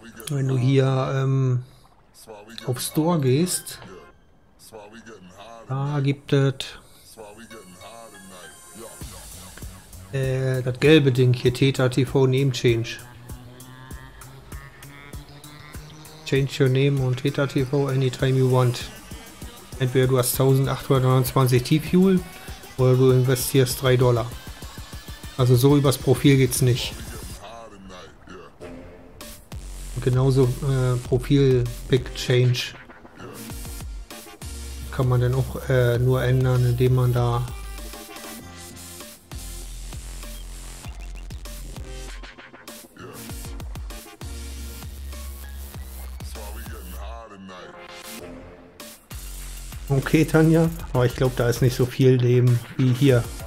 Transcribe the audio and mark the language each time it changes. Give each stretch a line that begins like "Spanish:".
German: Wenn du hier auf Store gehst, da gibt es das gelbe Ding hier, Theta TV Name Change.
English: Change your name on Theta TV anytime you want.
German: Entweder du hast 1829 T-Fuel oder du investierst $3. Also so übers Profil geht's nicht. Genauso Profil Big Change kann man dann auch nur ändern, indem man da okay, Tanja, aber ich glaube, da ist nicht so viel Leben wie hier.